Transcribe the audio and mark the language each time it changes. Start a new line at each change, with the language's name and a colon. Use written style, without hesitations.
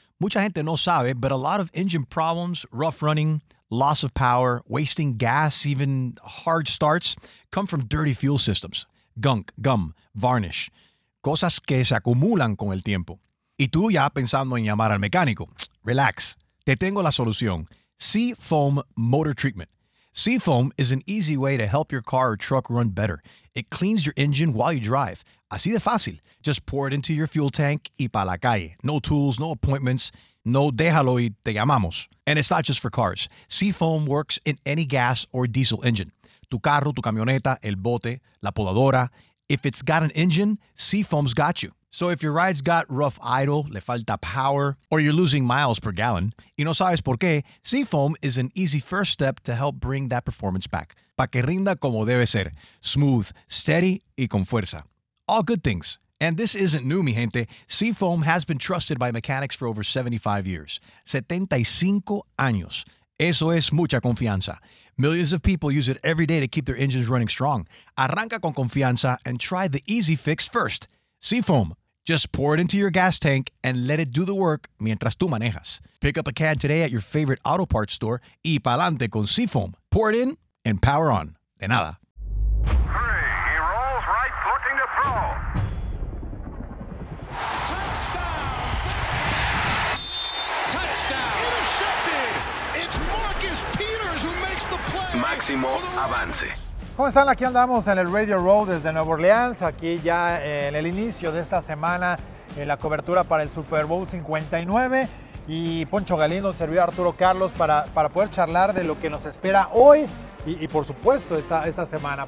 Spanish: Mucha gente no sabe,
English: but a lot of engine problems, rough running, loss of power, wasting gas, even hard starts, come from dirty fuel systems. Gunk, gum, varnish.
Spanish: Cosas que se acumulan con el tiempo. Y tú ya pensando en llamar al mecánico. Relax, te tengo la solución.
English: Seafoam Motor Treatment. Seafoam is an easy way to help your car or truck run better. It cleans your engine while you drive.
Spanish: Así de fácil.
English: Just pour it into your fuel tank
Spanish: y pa' la calle.
English: No tools, no appointments, no
Spanish: déjalo y te llamamos.
English: And it's not just for cars. Seafoam works in any gas or diesel engine.
Spanish: Tu carro, tu camioneta, el bote, la podadora.
English: If it's got an engine, Seafoam's got you. So if your ride's got rough idle,
Spanish: le falta
English: power, or you're losing miles per gallon,
Spanish: y no sabes por qué,
English: Seafoam is an easy first step to help bring that performance back.
Spanish: Pa' que rinda como debe ser.
English: Smooth, steady,
Spanish: y con fuerza.
English: All good things. And this isn't new,
Spanish: mi gente.
English: Seafoam has been trusted by mechanics for over 75 years.
Spanish: 75 años. Eso es mucha confianza.
English: Millions of people use it every day to keep their engines running strong.
Spanish: Arranca con confianza
English: and try the easy fix first. Seafoam. Just pour it into your gas tank and let it do the work
Spanish: mientras tú manejas.
English: Pick up a can today at your favorite auto parts store
Spanish: y pa'lante con
English: Seafoam. Pour it in and power on.
Spanish: De nada.
English: Three. He rolls right, looking to throw. Touchdown! Touchdown! Intercepted! It's Marcus Peters who makes the play.
Spanish: Máximo avance. ¿Cómo están? Aquí andamos en el Radio Row desde Nueva Orleans, aquí ya en el inicio de esta semana, en la cobertura para el Super Bowl 59. Y Poncho Galindo, servidor Arturo Carlos, para poder charlar de lo que nos espera hoy y por supuesto esta semana.